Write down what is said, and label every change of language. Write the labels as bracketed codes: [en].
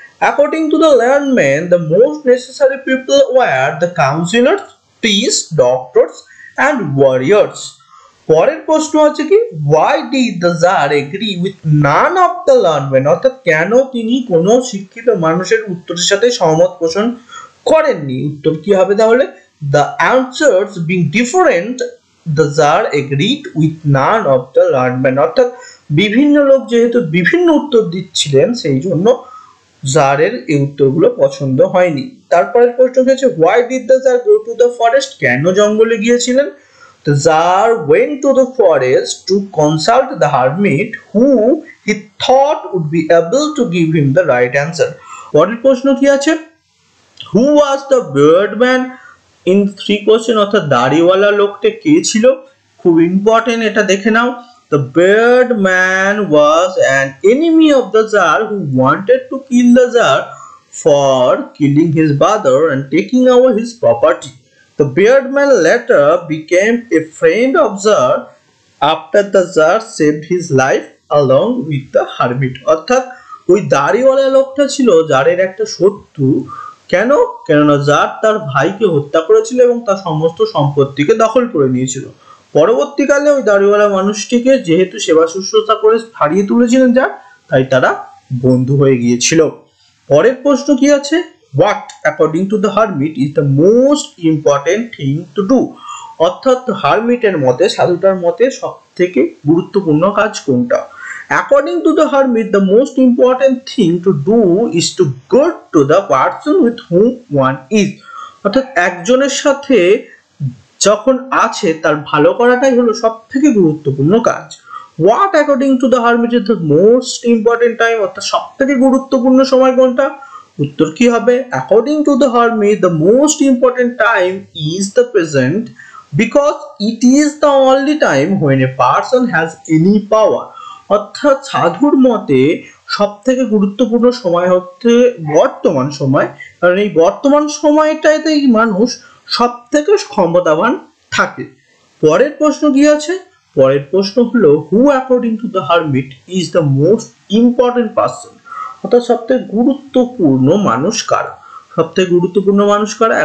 [en] According to the learned men the most necessary people were the councillors, priests, doctors and warriors. [bn] পরের প্রশ্ন আছে কি, [en] why did the tsar agree with none of the learned men, [bn] অর্থাৎ কেন তিনি কোনো শিক্ষিত মানুষের উত্তরের সাথে সহমত পোষণ করেননি, উত্তর কি হবে তাহলে। [en] The answers being different, the Tsar agreed with none of the learned men. [bn] অর্থাৎ বিভিন্ন লোক যেহেতু বিভিন্ন উত্তর দিচ্ছিলেন সেই জন্য জারের এই উত্তরগুলো পছন্দ হয়নি। তারপরের প্রশ্ন হচ্ছে, [en] Why did the Tsar go to the forest? [bn] কেন জঙ্গলে গিয়েছিলেন। The Tsar went to the forest to consult the hermit who he thought would be able to give him the right answer. পরের প্রশ্ন কি আছে, [en] Who was the bearded man? In three question, [bn] অর্থাৎ দাড়িওয়ালা লোকটা কে ছিল, খুব ইম্পর্টেন্ট এটা দেখে নাও। [en] The beard man was an enemy of the tsar who wanted to kill the tsar for killing his brother and taking our his property. The beard man later became a friend of tsar after the tsar saved his life along with the hermit, [bn] অর্থাৎ ওই দাড়িওয়ালা লোকটা ছিল জারের একটা শত্রু। কেন, কেননা জার তার ভাইকে হত্যা করেছিল এবং তার সমস্ত সম্পত্তিকে দখল করে নিয়েছিল। পরবর্তীকালে ওই দাড়িওয়ালা মানুষটিকে যেহেতু সেবা শুশ্রূষা করে হারিয়ে তুলেছিলেন জার, তাই তারা বন্ধু হয়ে গিয়েছিল। পরের প্রশ্ন কি আছে, [en] what according to the hermit is the most important thing to do, [bn] অর্থাৎ হার্মিটের মতে, সাধুটার মতে সব থেকে গুরুত্বপূর্ণ কাজ কোনটা। [en] According to the hermit, the most important thing to do is to go to the person with whom one is. [bn] অর্থাৎ একজনের সাথে যখন আছে তার ভালো করাটাই হলো সবথেকে গুরুত্বপূর্ণ কাজ। [en] What according to the hermit is the most important time, [bn] অর্থাৎ সবথেকে গুরুত্বপূর্ণ সময় কোনটা, উত্তর কি হবে। [en] According to the hermit, the most important time is the present because it is the only time when a person has any power. [bn] অর্থাৎ সাধুর মতে সব থেকে গুরুত্বপূর্ণ সময় হচ্ছে বর্তমান সময়, কারণ এই বর্তমান সময়টাতেই মানুষ সব থেকে ক্ষমতাবান থাকে। পরের প্রশ্ন কি আছে, পরের প্রশ্ন হলো, [en] who according to the hermit is the most important person, [bn] অর্থাৎ সবথেকে গুরুত্বপূর্ণ মানুষ কারা, সবথেকে গুরুত্বপূর্ণ মানুষ কারা।